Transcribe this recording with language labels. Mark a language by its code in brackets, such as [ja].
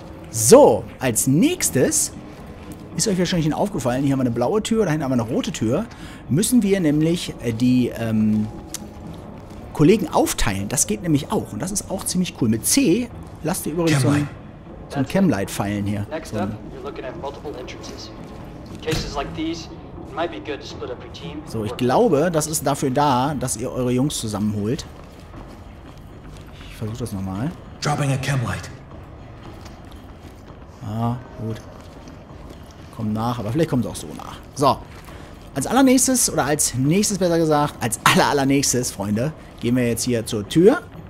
[de] So, als nächstes ist euch wahrscheinlich aufgefallen, hier haben wir eine blaue Tür, da hinten haben wir eine rote Tür. Müssen wir nämlich die Kollegen aufteilen. Das geht nämlich auch. Und das ist auch ziemlich cool. Mit C lasst ihr übrigens so ein Chemlight-Pfeilen hier. [en] Next up, you're looking at multiple entrances. In cases like these, it might be good to split up your team. [de] So, ich glaube, das ist dafür da, dass ihr eure Jungs zusammenholt. Ich versuche das nochmal. [en] Dropping a Chemlight. [de] Ah, gut. Kommen nach, aber vielleicht kommen sie auch so nach. So. Als allernächstes, oder als nächstes besser gesagt, als allernächstes, Freunde, gehen wir jetzt hier zur Tür.